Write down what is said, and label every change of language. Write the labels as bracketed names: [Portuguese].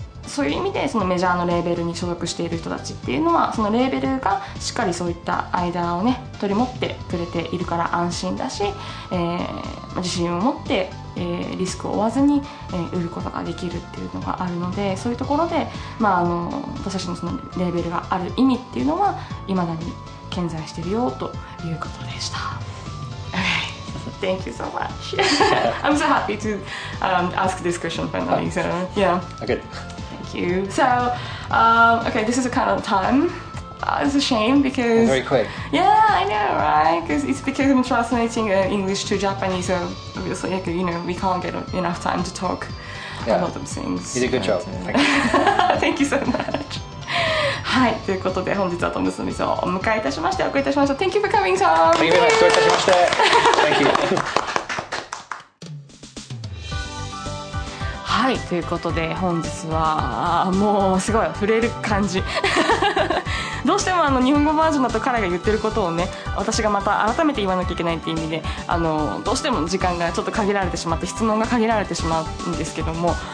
[Japanese] そういう意味でそのメジャーのレーベルに所属している人たちっていうのは、そのレーベルがしっかりそういった間をね取り持ってくれているから安心だし、自信を持って、リスクを負わずに、売ることができるっていうのがあるので、そういうところで、私たちのそのレーベルがある意味っていうのは未だに健在しているよということでした。 [English] Thank you so much. I'm so happy to ask this question finally. So yeah. Okay. You. So, okay, this is a kind of time. It's a shame because... Very quick. Yeah, I know, right? Because it's because I'm translating English to Japanese, so obviously, like, you know, we can't get enough time to talk about those things. You did a good job. Thank you. Thank you so much. [Japanese] はい、ということで本日はトムスミスをお迎えいたしまして、お送りいたしました。 [English] Thank you for coming, Tom! Thank you very much. [Japanese] お迎えいたしまして。 [English] Thank you. [Japanese] はい、ということで本日はもうすごい触れる感じどうしても日本語バージョンだと彼が言ってることをね、私がまた改めて言わなきゃいけないっていう意味で、どうしても時間がちょっと限られてしまって、質問が限られてしまうんですけども、い